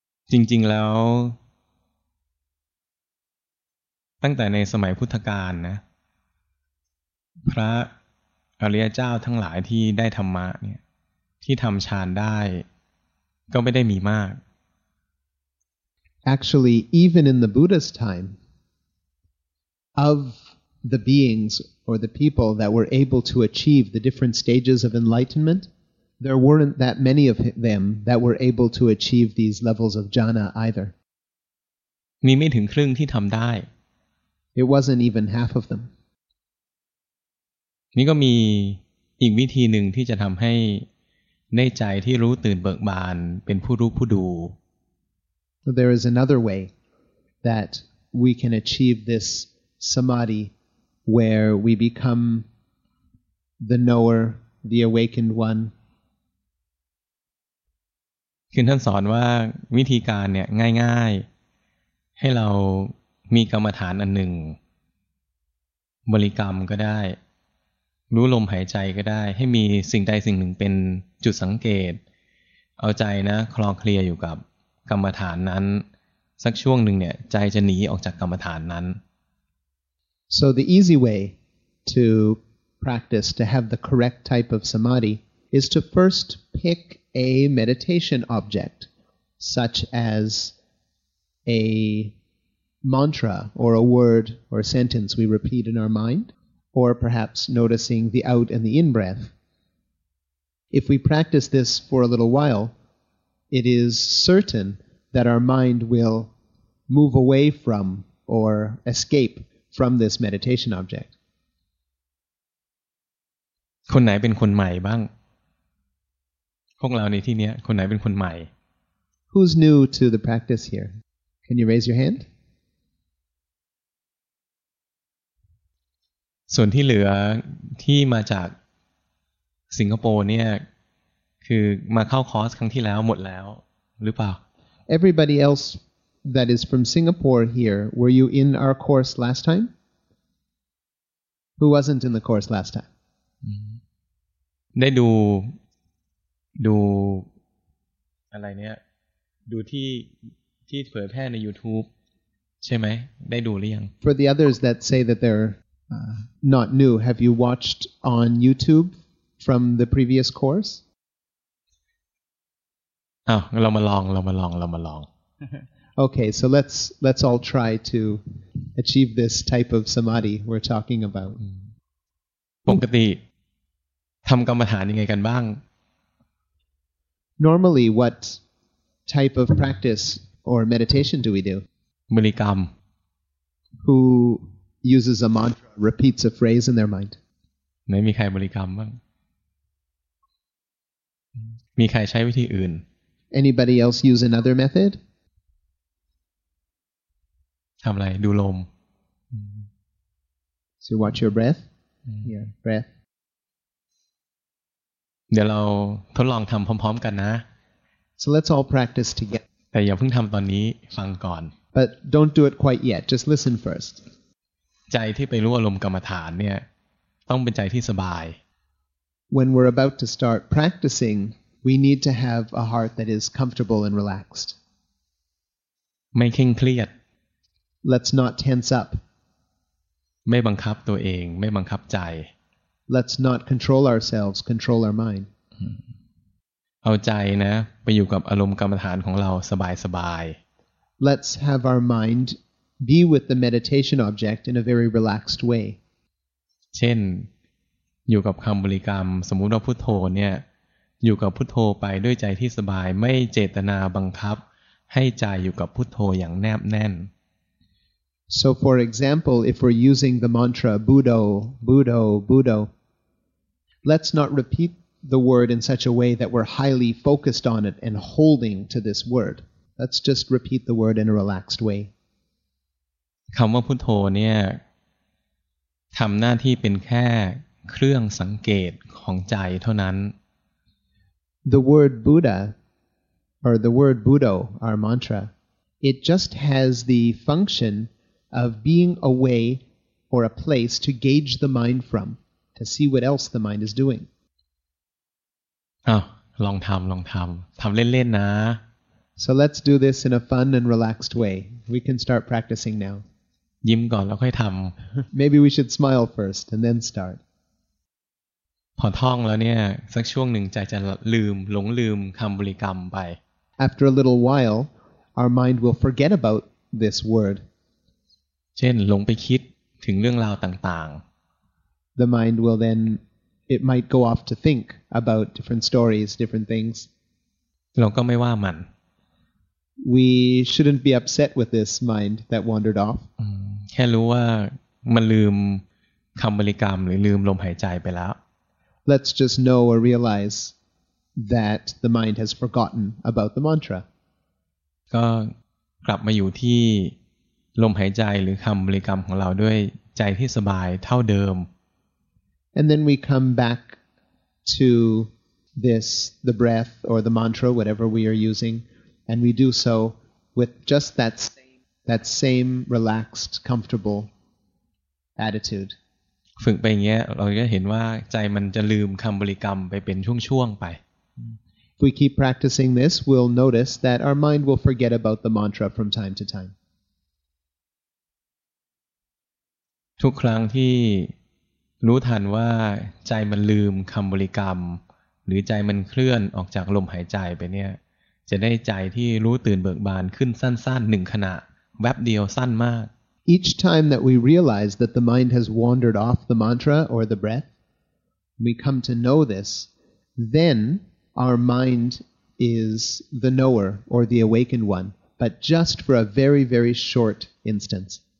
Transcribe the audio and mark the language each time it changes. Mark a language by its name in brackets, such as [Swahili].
[Thai] จริงๆแล้วตั้งแต่ในสมัยพุทธกาลนะพระอริยเจ้าทั้งหลายที่ได้ธรรมะเนี่ยที่ทำฌานได้ก็ไม่ได้มีมาก [English] Actually, even in the Buddha's time, of the beings or the people that were able to achieve the different stages of enlightenment, there weren't that many of them that were able to achieve these levels of jhana either. [Thai] มีไม่ถึงครึ่งที่ทำได้ [English] It wasn't even half of them. [Thai] นี่ก็มีอีกวิธีหนึ่งที่จะทำให้ในใจที่รู้ตื่นเบิกบานเป็นผู้รู้ผู้ดู [English] There is another way that we can achieve this samadhi where we become the knower, the awakened one. [Thai] คือท่านสอนว่าวิธีการเนี่ยง่ายๆให้เรามีกรรมฐานอันหนึ่งบริกรรมก็ได้รู้ลมหายใจก็ได้ให้มีสิ่งใดสิ่งหนึ่งเป็นจุดสังเกตเอาใจนะคลอเคลียอยู่กับกรรมฐานนั้นสักช่วงหนึ่งเนี่ยใจจะหนีออกจากกรรมฐานนั้น [English] So the easy way to practice to have the correct type of samadhi is to first pick a meditation object such as a mantra or a word or a sentence we repeat in our mind or perhaps noticing the out and the in breath if we practice this for a little whileIt is certain that our mind will move away from or escape from this meditation object. [Thai] คนไหนเป็นคนใหม่บ้างพวกเราในที่นี้คนไหนเป็นคนใหม่ [English] Who's new to the practice here? Can you raise your hand? [Thai] ส่วนที่เหลือที่มาจากสิงคโปร์เนี่ยคือมาเข้าคอร์สครั้งที่แล้วหมดแล้วหรือเปล่า [English] Everybody else that is from Singapore here, were you in our course last time? Who wasn't in the course last time? [Thai] ได้ดูอะไรเนี่ยดูที่เผยแพร่ใน YouTube ใช่ไหมได้ดูหรือยัง [English] For the others that say that they're not new, have you watched on YouTube from the previous course? [Thai] อ้าวเรามาลอง [English] Okay, so let's all try to achieve this type of samadhi we're talking about. [Thai] ปกติทำกรรมฐานยังไงกันบ้าง [English] Normally, what type of practice or meditation do we do? [Thai] บริกรรม [English] Who uses a mantra, repeats a phrase in their mind? [Thai] ไม่มีใครบริกรรมบ้างมีใครใช้วิธีอื่น [English] Anybody else use another method? [Thai] ทำอะไรดูลม [English] So watch your breath. Yeah, breath. [Thai] เดี๋ยวเราทดลองทำพร้อมๆกันนะ [English] So let's all practice together. [Thai] แต่อย่าเพิ่งทำตอนนี้ฟังก่อน [English] But don't do it quite yet. Just listen first. [Thai] ใจที่ไปรู้อารมณ์กรรมฐานเนี่ยต้องเป็นใจที่สบาย [English] When we're about to start practicing, we need to have a heart that is comfortable and relaxed. [Thai] ไม่เคร่งเครียด [English] Let's not tense up. [Thai] ไม่บังคับตัวเองไม่บังคับใจ [English] Let's not control ourselves, control our mind. [Thai] เอาใจนะไปอยู่กับอารมณ์กรรมฐานของเราสบาย [English] ๆ Let's have our mind be with the meditation object in a very relaxed way. [Thai] เช่นอยู่กับคำบริกรรมสมมุติว่าพุทโธเนี่ยอยู่กับพุทโธไปด้วยใจที่สบายไม่เจตนาบังคับให้ใจอยู่กับพุทโธอย่างแนบแน่น [English] So for example, if we're using the mantra Budo, Budo, Budo, let's not repeat the word in such a way that we're highly focused on it and holding to this word. Let's just repeat the word in a relaxed way. [Thai] คำว่าพุทโธเนี่ยทำหน้าที่เป็นแค่เครื่องสังเกตของใจเท่านั้น [English] The word Buddha, or the word Budo, our mantra, it just has the functionOf being a way or a place to gauge the mind from, to see what else the mind is doing. [Thai] Oh, ลองทำเล่นๆนะ [English] So let's do this in a fun and relaxed way. We can start practicing now. [Thai] ยิ้มก่อนแล้วค่อยทำ [English] Maybe we should smile first and then start. [Thai] พอท่องแล้วเนี่ยสักช่วงหนึ่งใจจะลืมหลงลืมคำบริกรรมไป [English] After a little while, our mind will forget about this word. [Thai] เช่นลงไปคิดถึงเรื่องราวต่าง [English] ๆ The mind will then it might go off to think about different stories, different things. [Thai] เราก็ไม่ว่ามัน [English] We shouldn't be upset with this mind that wandered off. [Thai] แค่รู้ว่ามันลืมคำบริกรรมหรือลืมลมหายใจไปแล้ว [English] Let's just know or realize that the mind has forgotten about the mantra. [Thai] ก็กลับมาอยู่ที่ลมหายใจหรือคำบริกรรมของเราด้วยใจที่สบายเท่าเดิม [English] And then we come back to this the breath or the mantra whatever we are using and we do so with just that same relaxed comfortable attitude [Thai] ฝึกไปอย่างเงี้ยเราจะเห็นว่าใจมันจะลืมคำบริกรรมไปเป็นช่วงๆไป [English] If we keep practicing this we'll notice that our mind will forget about the mantra from time to time [Thai] ทุกครั้งที่รู้ทันว่าใจมันลืมคำบริกรรมหรือใจมันเคลื่อนออกจากลมหายใจไปเนี่ยจะได้ใจที่รู้ตื่นเบิกบานขึ้นสั้นๆหนึ่งขณะแวบเดียวสั้นมาก [English] Each time that we realize that the mind has wandered off the mantra or the breath we come to know this then our mind is the knower or the awakened one but just for a very very short instance